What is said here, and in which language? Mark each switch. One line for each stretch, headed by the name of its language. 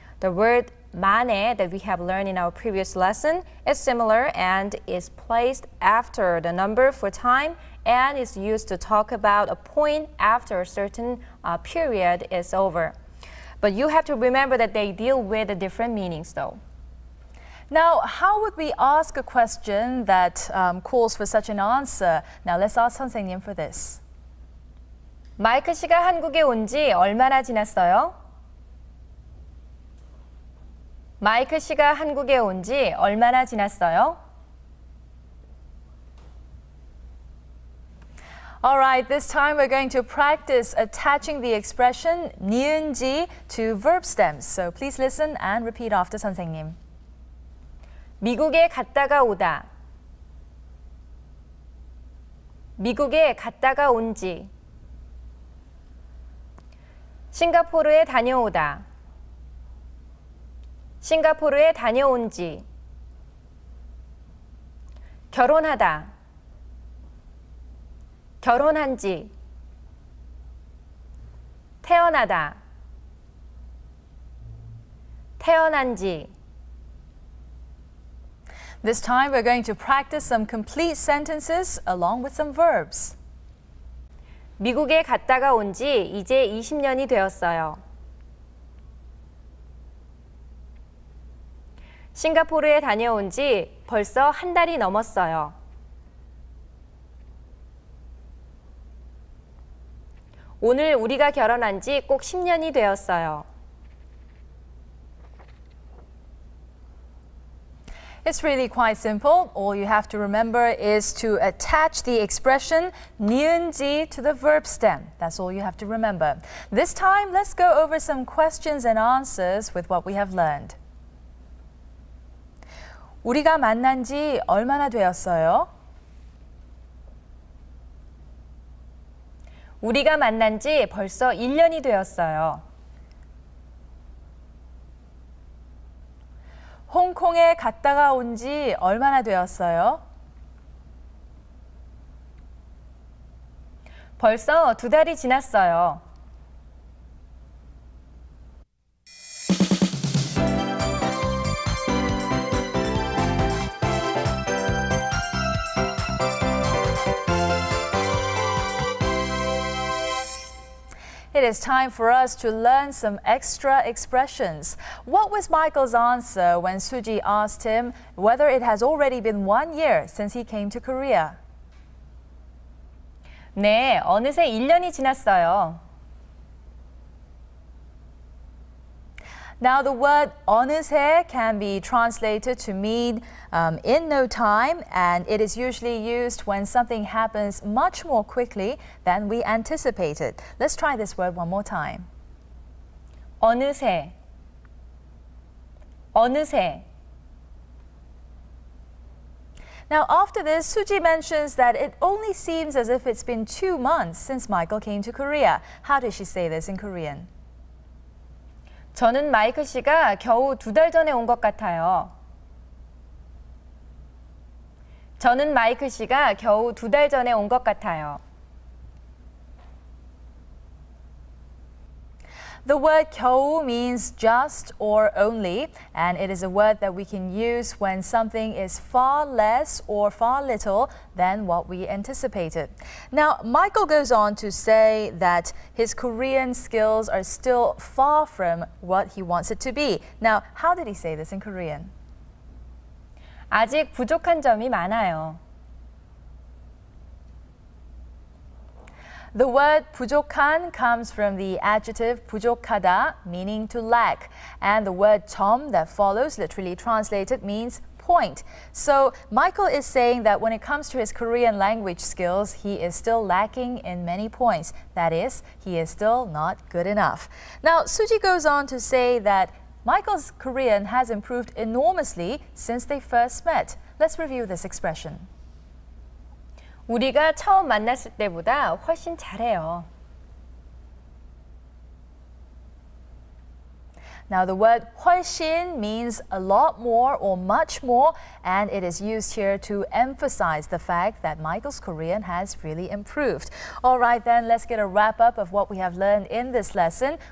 English: The word 만에 that we have learned in our previous lesson is similar and is placed after the number for time and is used to talk about a point after a certain period is over. But you have to remember that they deal with the different meanings though. Now, how would we ask a question that calls for such an answer? Now, let's ask 선생님 for this.
Korean: 마이크 씨가 한국에 온 지 얼마나 지났어요? 마이크 씨가 한국에 온 지 얼마나 지났어요?
English: All right, this time we're going to practice attaching the expression 니은지 to verb stems. So please listen and repeat after 선생님.
Korean: 미국에 갔다가 오다. 미국에 갔다가 온 지. 싱가포르에 다녀오다. 싱가포르에 다녀온 지. 결혼하다. 결혼한 지. 태어나다. 태어난 지.
English: This time we're going to practice some complete sentences along with some verbs.
Korean: 미국에 갔다가 온 지 이제 20년이 되었어요. 싱가포르에 다녀온 지 벌써 한 달이 넘었어요. 오늘 우리가 결혼한 지 꼭 10년이 되었어요.
English: It's really quite simple. All you have to remember is to attach the expression 니은지 to the verb stem. That's all you have to remember. This time, let's go over some questions and answers with what we have learned.
Korean: 우리가 만난 지 얼마나 되었어요? 우리가 만난 지 벌써 1년이 되었어요. 홍콩에 갔다가 온 지 얼마나 되었어요? 벌써 두 달이 지났어요.
English: It is time for us to learn some extra expressions. What was Michael's answer when Suji asked him whether it has already been 1 year since he came to Korea?
Korean: 네, 어느새 1년이 지났어요.
English: Now the word 어느새 can be translated to mean in no time, and it is usually used when something happens much more quickly than we anticipated. Let's try this word one more time.
Korean: 어느새 어느새
English: Now after this, Suji mentions that it only seems as if it's been 2 months since Michael came to Korea. How does she say this in Korean?
Korean: 저는 마이클 씨가 겨우 두 달 전에 온 것 같아요. 저는 마이클 씨가 겨우 두 달 전에 온 것 같아요.
English: The word 겨우 means just or only, and it is a word that we can use when something is far less or far little than what we anticipated. Now, Michael goes on to say that his Korean skills are still far from what he wants it to be. Now, how did he say this in Korean?
Korean: 아직 부족한 점이 많아요.
English: The word 부족한 comes from the adjective 부족하다, meaning to lack. And the word 점 that follows, literally translated, means point. So Michael is saying that when it comes to his Korean language skills, he is still lacking in many points. That is, he is still not good enough. Now, Suji goes on to say that Michael's Korean has improved enormously since they first met. Let's review this expression.
Korean: 우리가 처음 만났을 때보다 훨씬 잘해요.
English: Now the word 훨씬 means a lot more or much more, and it is used here to emphasize the fact that Michael's Korean has really improved. All right, then let's get a wrap up of what we have learned in this lesson.